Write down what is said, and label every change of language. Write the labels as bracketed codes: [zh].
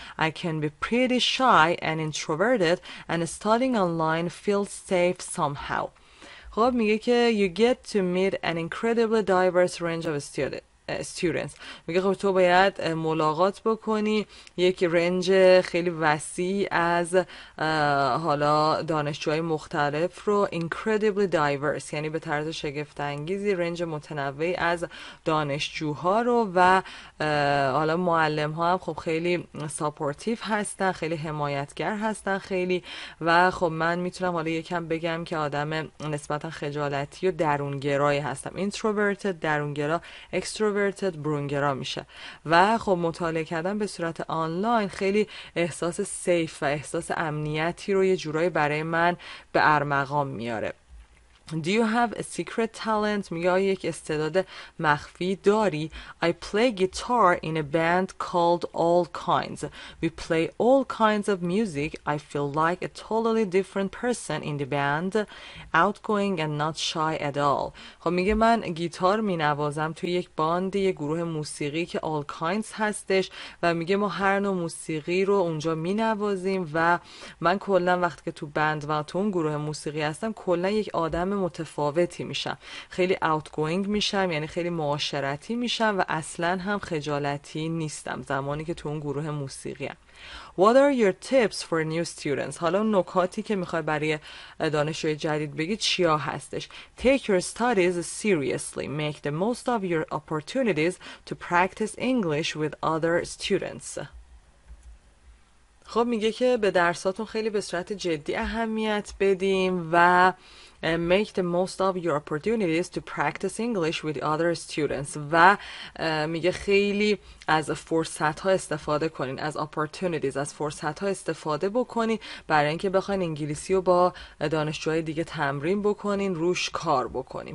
[en] I can be pretty shy and introverted and studying online feels safe somehow. [fa] خب میگه که [en] you get to meet an incredibly diverse range of students. students. [fa] میگه خب تو باید ملاقات بکنی یک رنج خیلی وسیع از حالا دانشجوهای مختلف رو, [en] incredibly diverse, [fa] یعنی به طرز شگفت انگیزی رنج متنوعی از دانشجوها رو, و حالا معلم ها هم خب خیلی سپورتیف هستن, خیلی حمایتگر هستن خیلی, و خب من میتونم حالا یکم بگم که آدم نسبتا خجالتی و درونگرای هستم, introverted, درونگرا, extroverted, برونگرا میشه, و خب مطالعه کردن به صورت آنلاین خیلی احساس سیف و احساس امنیتی رو یه جورایی برای من به ارمغان میاره. [en] Do you have a secret talent? [fa] میگه یک استعداد مخفی داری. [en] I play guitar in a band called All Kinds. We play all kinds of music. I feel like a totally different person in the band. Outgoing and not shy at all. [fa] خب میگه من گیتار می نوازم توی یک باند, یک گروه موسیقی که All Kinds هستش, و میگه ما هر نوع موسیقی رو اونجا می نوازیم, و من کلن وقتی که تو بند و تو اون گروه موسیقی هستم کلن یک آدم متفاوتی میشم, خیلی outgoing میشم, یعنی خیلی معاشرتی میشم, و اصلا هم خجالتی نیستم زمانی که تو اون گروه موسیقی هم. [en] What are your tips for new students? [fa] حالا نکاتی که میخوای برای دانشجوی جدید بگی چیا هستش؟ [en] Take your studies seriously. Make the most of your opportunities to practice English with other students. [fa] خب میگه که به درساتون خیلی به صورت جدی اهمیت بدیم, و [en] make the most of your opportunities to practice English with other students, [fa] و میگه خیلی از فرصت ها استفاده کنین, از opportunities, از فرصت ها استفاده بکنین برای اینکه بخواین انگلیسی رو با دانشجوهای دیگه تمرین بکنین, روش کار بکنین.